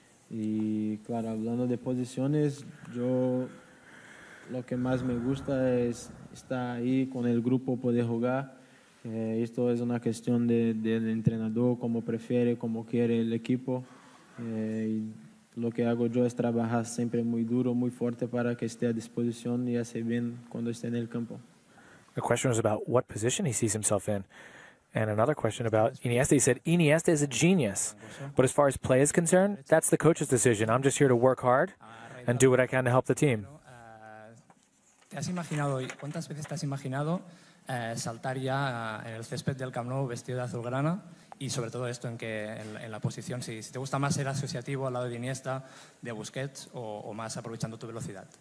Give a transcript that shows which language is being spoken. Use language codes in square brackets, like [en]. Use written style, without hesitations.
[es] Y claro, hablando de posiciones, yo lo que más me gusta es estar ahí con el grupo, poder jugar. Esto es una cuestión del entrenador, como prefiere, como quiere el equipo. Y lo que hago yo es trabajar siempre muy duro, muy fuerte para que esté a disposición y hacer bien cuando esté en el campo. [en] The question was about what position he sees himself in. And another question about Iniesta. He said, Iniesta is a genius. But as far as play is concerned, that's the coach's decision. I'm just here to work hard and do what I can to help the team. [es] ¿Te has imaginado, cuántas veces te has imaginado saltar ya en el césped del Camp Nou vestido de azulgrana? Y sobre todo esto, en que en la posición, si te gusta más ser asociativo al lado de Iniesta, de Busquets, o más aprovechando tu velocidad.